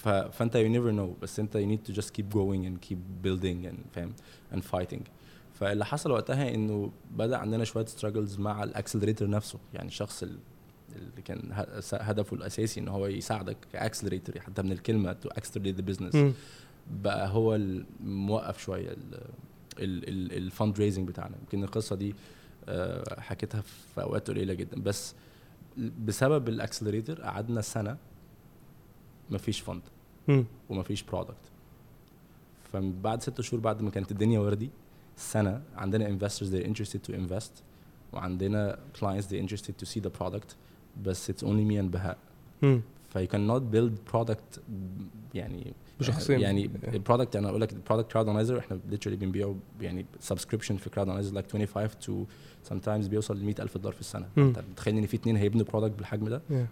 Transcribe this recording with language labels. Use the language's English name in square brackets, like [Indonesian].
[Arabic] فانت [English] you never know, [Arabic] بس انت [English] you need to just keep going and keep building and [Arabic] فاهم [English] and fighting. [Arabic] فاللي حصل وقتها انه بدا عندنا شويه ستراجلز مع الاكسلريتر نفسه. يعني الشخص اللي كان هدفه الاساسي ان هو يساعدك كاكسلريتر, حتى من الكلمه تو اكسلريت ذا بزنس, بقى هو الموقف شويه الفند ريزنج بتاعنا. يمكن القصه دي حكيتها في اوقات قليله جدا, بس بسبب الاكسلريتر قعدنا سنه ما فيش فند وما فيش برودكت. فبعد 6 شهور بعد ما كانت الدنيا وردي سنة, عندنا investors [English] they're interested to invest, [Arabic] وعندنا clients [English] they're interested to see the product, [Arabic] بس [English] it's only me and [Arabic] بهاء. [English] فyou cannot build product [Arabic] يعني بشخصين. يعني product أنا أقولك product crowdonizer, إحنا literally بنبيعه يعني subscription في crowdonizer [English] like 25 to sometimes [Arabic] بيوصل $100,000 في السنة. تخيل إن في 2 هيبنوا product بالحجم ده.